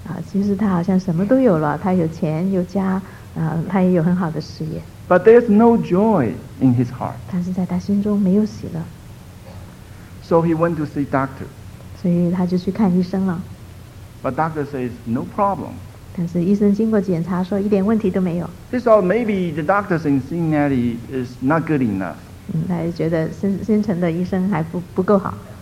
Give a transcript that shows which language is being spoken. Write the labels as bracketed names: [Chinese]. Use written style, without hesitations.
[Chinese] 其实他好像什么都有了，他有钱有家，他也有很好的事业。 [English] But there's no joy in his heart. [Chinese] 但是在他心中没有喜乐。 [English] So he went to see doctor. [Chinese] 所以他就去看医生了。 [English] But doctor says no problem. [Chinese] 但是医生经过检查说一点问题都没有。 [English] He thought maybe the doctors in Cincinnati is not good enough. [Chinese] 他就觉得新城的医生还不够好。